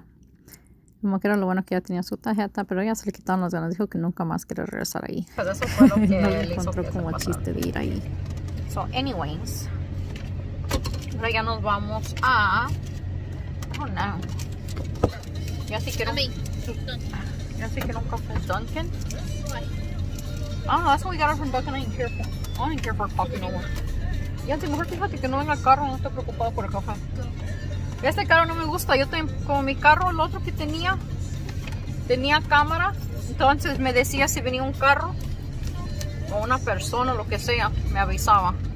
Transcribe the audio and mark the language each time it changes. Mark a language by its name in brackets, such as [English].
[English] Yeah. [Spanish] Como que era lo bueno que ya tenía su tarjeta, pero ya se le quitaron las ganas. Dijo que nunca más quiere regresar ahí. Pues eso fue lo que no encontró como que chiste de ir ahí. [English] So, anyways, [Spanish] ahora ya nos vamos a... [English] Oh, no. [Spanish] Ya sí quiero... Ya sí quiero un café Dunkin. [English] Oh, no, that's what we got from Dunkin. I don't care for coffee no more. [Spanish] Ya sí, mejor fíjate que no venga el carro, no estoy preocupada por el café. Este carro no me gusta, yo tengo como mi carro, el otro que tenía cámara, entonces me decía si venía un carro o una persona, lo que sea, me avisaba.